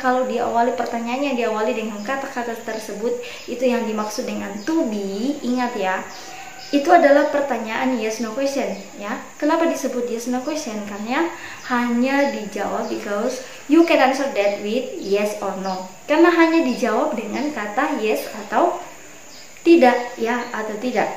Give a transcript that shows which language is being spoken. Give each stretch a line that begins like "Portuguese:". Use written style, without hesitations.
Indonesian: Kalau diawali pertanyaannya diawali dengan kata-kata tersebut, itu yang dimaksud dengan to be. Ingat ya, itu adalah pertanyaan yes no question ya. Kenapa disebut yes no question? Karena hanya dijawab
English: because you can answer that with yes or no.
Indonesian: Karena hanya dijawab dengan kata yes atau tidak ya, atau tidak.